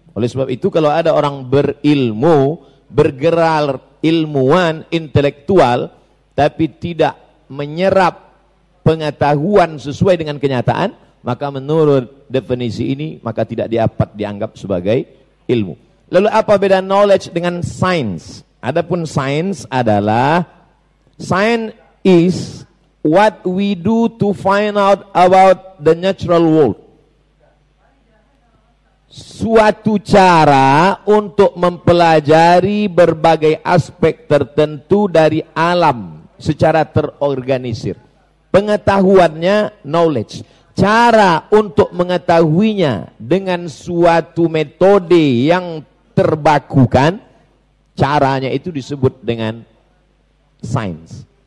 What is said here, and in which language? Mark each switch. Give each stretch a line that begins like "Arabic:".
Indonesian: Oleh sebab itu, kalau ada orang berilmu, bergerak ilmuwan, intelektual, tapi tidak menyerap pengetahuan sesuai dengan kenyataan, maka menurut definisi ini, maka tidak dapat dianggap sebagai ilmu. Lalu apa beda knowledge dengan science? Adapun science adalah,
English: science is what we do to find out about the natural world.
Indonesian: Suatu cara untuk mempelajari berbagai aspek tertentu dari alam secara terorganisir. Pengetahuannya knowledge. Cara untuk mengetahuinya dengan suatu metode yang terbakukan, caranya itu disebut dengan science.